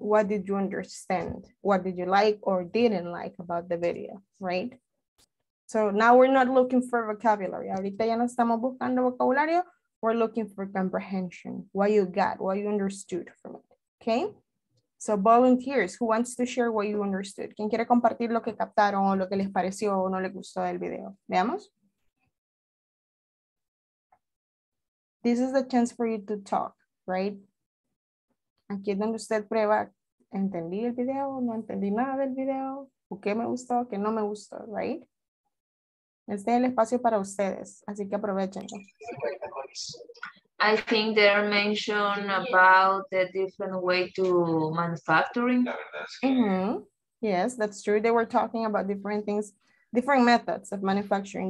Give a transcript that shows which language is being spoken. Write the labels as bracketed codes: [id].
[en] What did you understand? What did you like or didn't like about the video, right? So now we're not looking for vocabulary. [es] Ahorita ya no estamos buscando vocabulario. [en] We're looking for comprehension. What you got, what you understood from it. Okay, so volunteers, who wants to share what you understood? [es] ¿Quién quiere compartir lo que captaron o lo que les pareció o no les gustó del video? Veamos. [en] this is the chance for you to talk, right? [es] Aquí es donde usted prueba, ¿entendí el video? ¿No entendí nada del video? ¿O qué me gustó? ¿Qué no me gustó? Right? Este es el espacio para ustedes, así que aprovechenlo. [en] I think there mentioned about the different way to manufacturing. Mm-hmm. Yes, that's true. They were talking about different things, different methods of manufacturing.